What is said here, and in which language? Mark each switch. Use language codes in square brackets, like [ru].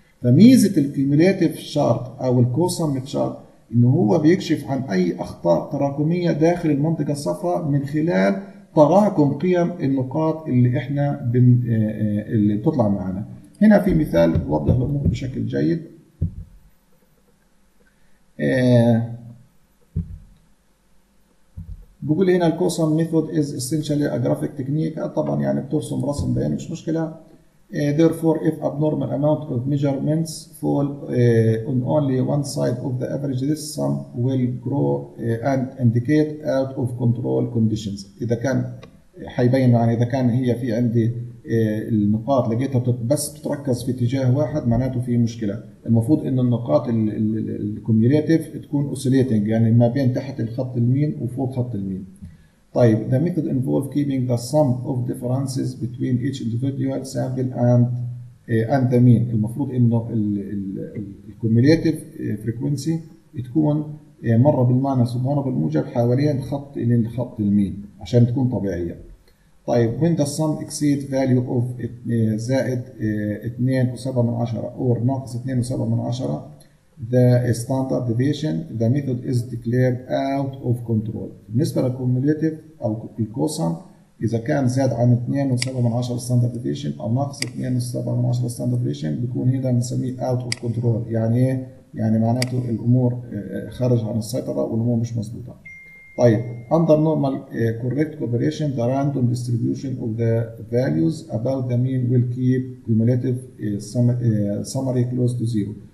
[ar] فميزة الكيميليتيف شارت أو الكوسم شارت إنه هو بيكشف عن أي أخطاء تراكمية داخل المنطقة الصفراء من خلال تراكم قيم النقاط اللي احنا اللي تطلع معنا. هنا في مثال وضح الامور بشكل جيد. بقول هنا [en] الكوسم method is essentially a graphic technique, [ar] طبعا يعني بترسم رسم بياني مش مشكله. [en] Therefore if abnormal amount of measurements fall on only one side of the average, this sum will grow and indicate out of control conditions. [ar] إذا كان حيبين يعني إذا كان هي في عندي النقاط لقيتها بس بتركز في اتجاه واحد معناته في مشكلة. المفروض إن النقاط الكوميوليتيف تكون oscillating، يعني ما بين تحت الخط الميم وفوق خط الميم. [en] طيب the method involves keeping the sum of differences between each individual sample and the mean. [ar] المفروض انه الكوميليتيف فريكوينسي تكون مره بالماينس ومره بالموجب حوالين خط الخط المين عشان تكون طبيعيه. [en] طيب when the sum exceeds value of زائد 2.7 or ناقص 2.7 the standard deviation the method is declared out of control. [ar] بالنسبة للكوميليتيف أو الكوسم إذا كان زاد عن 2.7 standard deviation أو ناقص 2.7 standard deviation بيكون هيدا نسميه out of control، يعني يعني معناته الأمور خارج عن السيطرة والأمور مش مزبوطة. [en] طيب under normal correct cooperation the random distribution of the values about the mean will keep cumulative summary close to zero.